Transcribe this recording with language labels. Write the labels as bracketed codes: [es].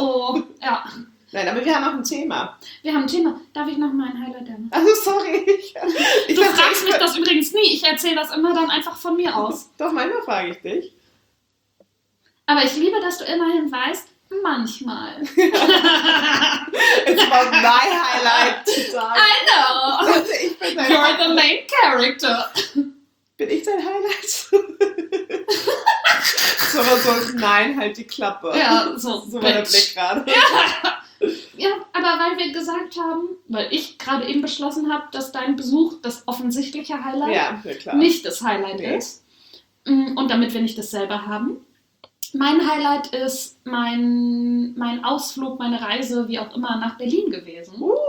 [de] Oh, ja. Nein, aber wir haben auch ein Thema. Wir haben ein Thema. Darf ich noch mal ein Highlight nennen? Also, sorry. Du fragst mich das übrigens nie. Ich erzähle das immer dann einfach von mir aus. Doch, manchmal frage ich dich. Aber ich liebe, dass du immerhin weißt, manchmal. [en] It's about my highlight today. I know. You're the main character. [de] Bin ich dein Highlight? So, aber so, nein, halt die Klappe. Ja, so. So war der Blick gerade. Ja. Ja, aber weil wir gesagt haben, weil ich gerade eben beschlossen habe, dass dein Besuch das offensichtliche Highlight nicht das Highlight ist. Und damit wir nicht dasselbe haben. Mein Highlight ist mein Ausflug, meine Reise, wie auch immer, nach Berlin gewesen.